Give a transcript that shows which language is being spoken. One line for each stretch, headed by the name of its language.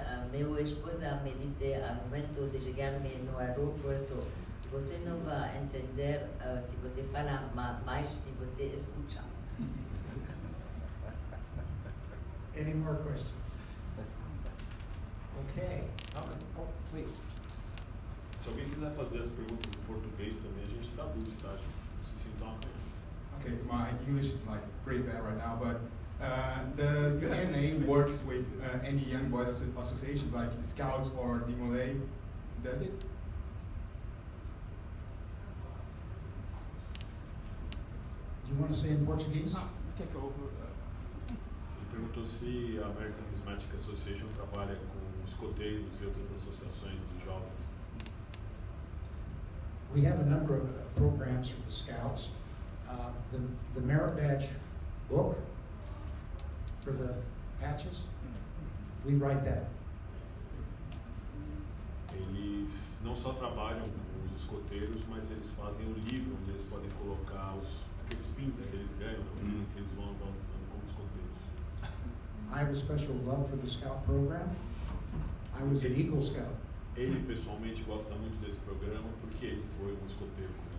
Portuguese: Meu esposa me disse ao momento de chegar-me no aeroporto, "Você não vai entender se você fala, mas se você escuta."
English: Any more questions? Okay. Oh, please.
Portuguese: Se alguém quiser fazer as perguntas em português também, a gente traduz, tá? Se sinta bem.
English: Okay, my English is like pretty bad right now, but does the ANA works with any young boys association like the Scouts or the Demolé? Does it? You want to say in Portuguese? Ah, take over.
Portuguese: Perguntou se a American Numismatic Association trabalha com escoteiros e outras associações de jovens.
English: We have a number of programs for the Scouts. The merit badge book for the patches, we write that.
Portuguese: Eles não só trabalham com os escoteiros, mas eles fazem um livro onde eles podem colocar aqueles pins que eles ganham, que eles vão avançando como escoteiros.
English: I have a special love for the Scout program. I was an Eagle Scout.
Portuguese: Ele pessoalmente gosta muito desse programa porque ele foi um escoteiro.